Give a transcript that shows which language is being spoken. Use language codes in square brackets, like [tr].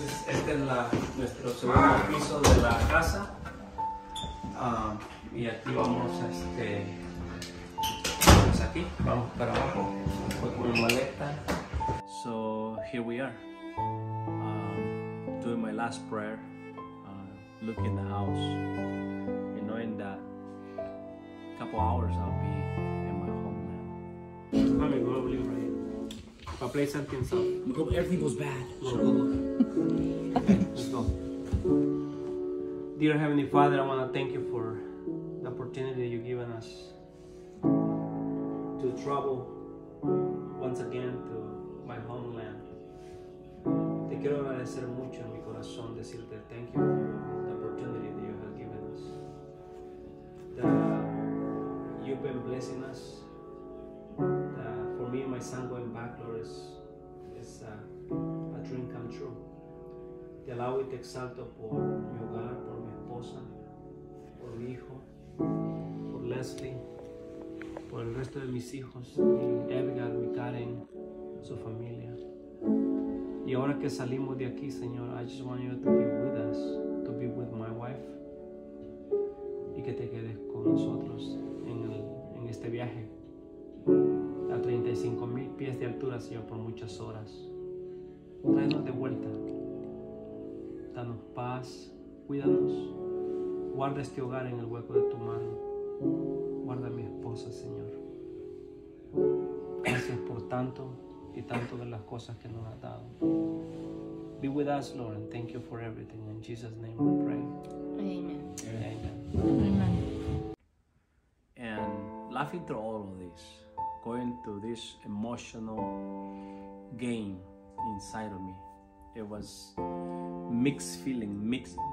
[es] Este es nuestro segundo piso de la casa. Y aquí vamos a pues aquí, vamos para abajo, con mi maleta. [en] So, here we are, doing my last prayer, looking the house, and knowing that a couple hours I'll be in my home now. Let me go, right? I'll play something soft. I hope everything goes bad. So, go. Let's go. Dear Heavenly Father, I want to thank you for the opportunity that you've given us to travel once again to my homeland. [es] Te quiero agradecer mucho en mi corazón, decirte [en] thank you for the opportunity that you have given us. That you've been blessing us. That for me and my son going back, Lord, is a dream come true. [es] Te alabo y te exalto por mi hogar, por mi esposa, por mi hijo, por Leslie, por el resto de mis hijos, mi Edgar, mi Karen, su familia. Y ahora que salimos de aquí, Señor, [en] I just want you to be with us, to be with my wife, [es] y que te quedes con nosotros en este viaje a 35 mil pies de altura, Señor, por muchas horas. Tráenos de vuelta. Danos paz, cuídanos, guarda este hogar en el hueco de tu mano, guarda a mi esposa, Señor. Gracias por tanto y tanto de las cosas que nos has dado. [en] Be with us, Lord, and thank you for everything. In Jesus' name we pray. Amen. Amen. Amen. And laughing through all of this, going through this emotional game inside of me, it was mixed feeling, mixed.